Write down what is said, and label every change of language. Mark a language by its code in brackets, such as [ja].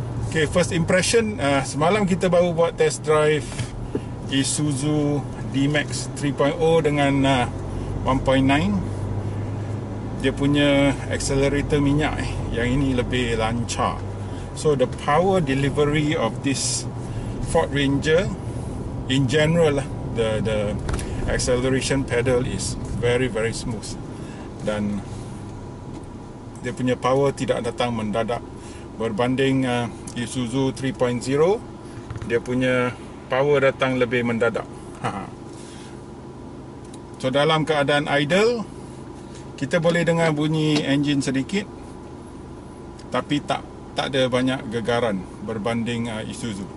[ms] Okay, first impression, semalam kita baru buat test drive Isuzu D-Max 3.0 dengan 1.9. Dia punya accelerator minyak yang ini lebih lancar. [en] So the power delivery of this Ford Ranger in general, the acceleration pedal is very very smooth. [ms] Dan dia punya power tidak datang mendadak. Berbanding Isuzu 3.0, dia punya power datang lebih mendadak. So dalam keadaan idle, kita boleh dengar bunyi engine sedikit, tapi tak ada banyak gegaran berbanding Isuzu.